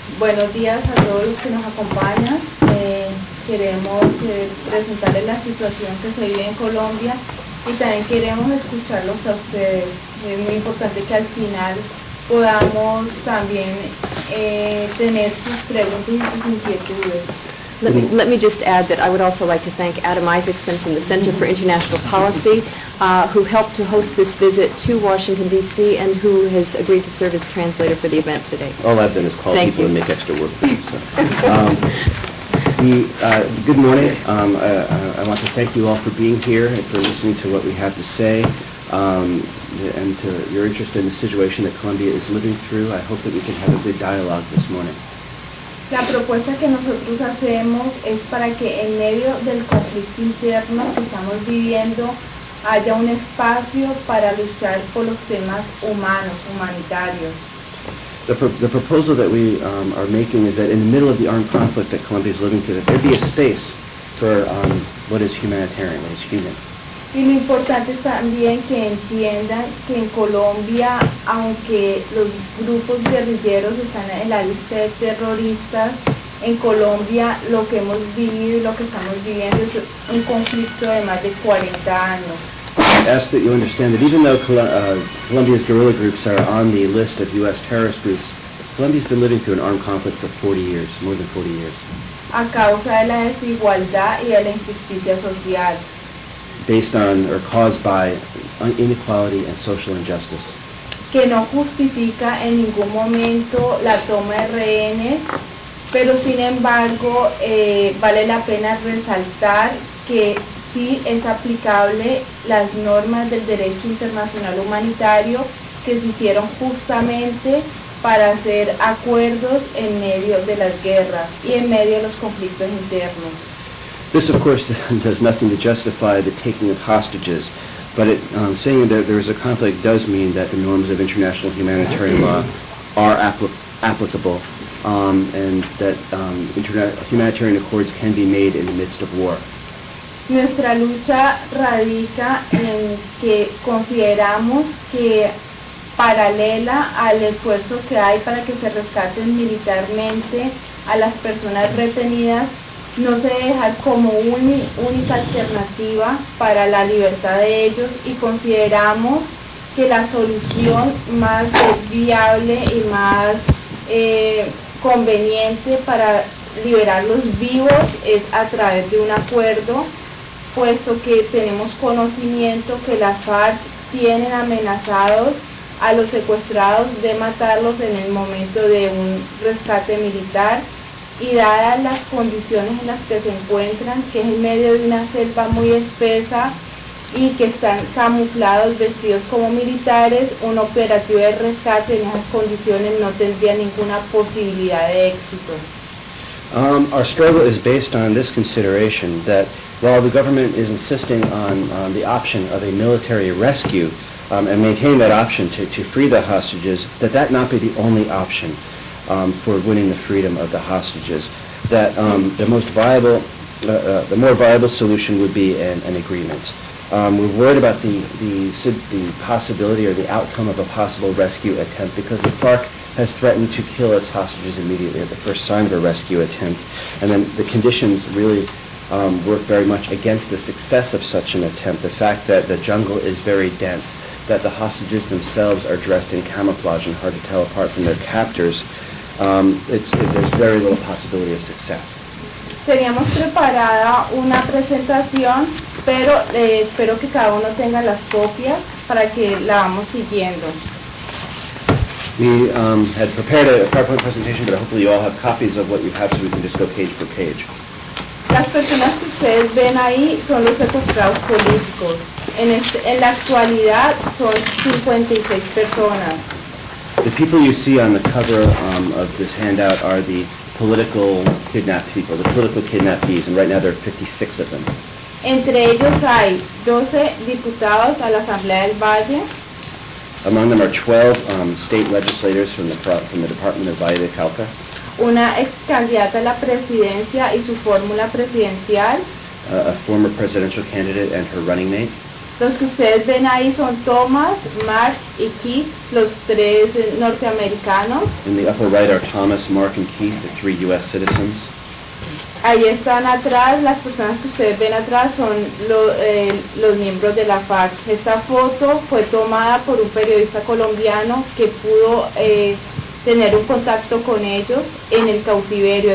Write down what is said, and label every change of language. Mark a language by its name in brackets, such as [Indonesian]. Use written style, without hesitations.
[Spanish] Buenos días a todos los que nos acompañan. Queremos presentarles la situación que se vive en Colombia y también queremos escucharlos a ustedes. Es muy importante que al final podamos también tener sus preguntas y sus inquietudes. [English] Let me just add that I would also like to thank Adam Isaacson from the Center for International Policy, who helped to host this visit to Washington, D.C., and who has agreed to serve as translator for the event today. All I've done is call thank people you. And make extra work for them. So. Good morning. I want to thank you all for being here and for listening to what we have to say, and to your interest in the situation that Colombia is living through. I hope that we can have a good dialogue this morning. [Spanish] La propuesta que nosotros hacemos es para que en medio del conflicto interno que estamos viviendo haya un espacio para luchar por los temas humanos, humanitarios. [English] The proposal that we are making is that in the middle of the armed conflict that Colombia is living through, that there be a space for what is humanitarian, what is human. [Spanish] Y lo importante es también que entiendan que en Colombia, aunque los grupos guerrilleros están en la lista de terroristas, en Colombia lo que hemos vivido y lo que estamos viviendo es un conflicto de más de 40 años. [English] I ask that you understand that even though Colombia's guerrilla groups are on the list of U.S. terrorist groups, Colombia's been living through an armed conflict for 40 years, more than 40 years. [Spanish] A causa de la desigualdad y de la injusticia social. [English] Based on or caused by inequality and social injustice. [Spanish] Que no justifica en ningún momento la toma de rehenes, pero sin embargo vale la pena resaltar que sí es aplicable las normas del derecho internacional humanitario que se hicieron justamente para hacer acuerdos en medio de las guerras y en medio de los conflictos internos. [English] This, of course, does nothing to justify the taking of hostages, but it, saying that there is a conflict does mean that the norms of international humanitarian law are applicable, and that humanitarian accords can be made in the midst of war. [Spanish] Nuestra lucha radica en que consideramos que paralela al esfuerzo que hay para que se rescaten militarmente a las personas retenidas, no se deja como única alternativa para la libertad de ellos y consideramos que la solución más viable y más conveniente para liberarlos vivos es a través de un acuerdo, puesto que tenemos conocimiento que las FARC tienen amenazados a los secuestrados de matarlos en el momento de un rescate militar. Y dadas las condiciones en las que se encuentran, que es en medio de una selva muy espesa y que están camuflados, vestidos como militares, un operativo de rescate en esas condiciones no tendría ninguna posibilidad de éxito. [English] Our struggle is based on this consideration that while the government is insisting on the option of a military rescue and maintain that option to free the hostages, that that not be the only option. For winning the freedom of the hostages, that the more viable solution would be an agreement. We're worried about the possibility or the outcome of a possible rescue attempt because the FARC has threatened to kill its hostages immediately at the first sign of a rescue attempt, and then the conditions really work very much against the success of such an attempt. The fact that the jungle is very dense, that the hostages themselves are dressed in camouflage and hard to tell apart from their captors. There's very little possibility of success. [Spanish] Teníamos preparada una presentación, pero espero que cada uno tenga las copias para que la vamos siguiendo. [English] We had prepared a PowerPoint presentation, but hopefully you all have copies of what you have so we can just go page for page. [Spanish] Las personas que ustedes ven ahí son los secuestrados políticos. En la actualidad son 56 personas. [English] The people you see on the cover of this handout are the political kidnapped people, the political kidnappees, and right now there are 56 of them. [Spanish] Entre ellos hay 12 diputados a la Asamblea del Valle. [English] Among them are 12 state legislators from the Department of Valle de Cauca. [Spanish] Una ex candidata a la presidencia y su fórmula presidencial. [English] A former presidential candidate and her running mate. [Spanish] Los que ustedes ven ahí son Thomas, Mark y Keith, los tres norteamericanos. [English] In the upper right are Thomas, Mark and Keith, the three U.S. citizens. [Spanish] Ahí están atrás, las personas que ustedes ven atrás son los miembros de la FARC. Esta foto fue tomada por un periodista colombiano que pudo tener un contacto con ellos en el cautiverio.